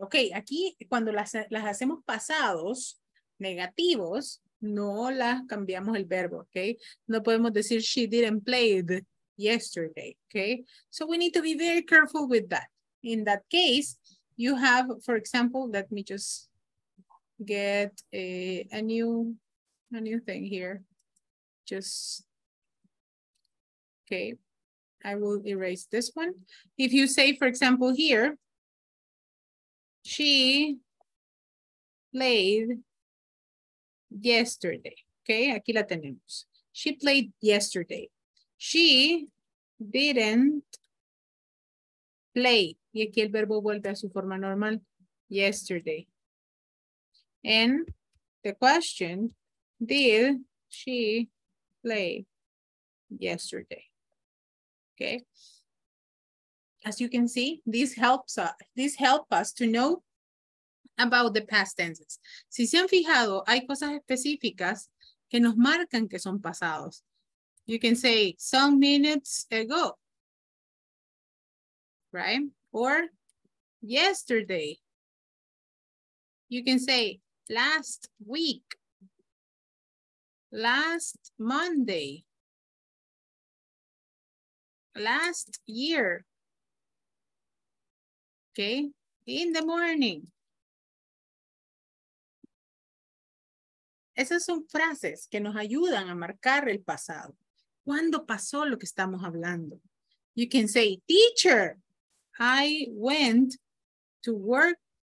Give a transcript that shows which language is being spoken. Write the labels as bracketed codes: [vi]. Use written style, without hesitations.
[es] Okay, aquí cuando las hacemos pasados, negativos, no las cambiamos el verbo, okay? No podemos decir [en] she didn't play yesterday, okay? So we need to be very careful with that. In that case, you have, for example, let me just get a new thing here. I will erase this one. If you say, for example, here, she played yesterday. Okay, [es] aquí la tenemos. [en] She played yesterday. She didn't play. [es] Y aquí el verbo vuelve a su forma normal, yesterday. [en] And the question, did she play yesterday? Okay. As you can see, this helps us to know about the past tenses. [es] Si se han fijado, hay cosas específicas que nos marcan que son pasados. [en] You can say, some minutes ago. Right? Or yesterday. You can say last week, last Monday, last year, Okay, in the morning. [es] Esas son frases que nos ayudan a marcar el pasado. ¿Cuándo pasó lo que estamos hablando? [en] You can say, teacher, I went to work.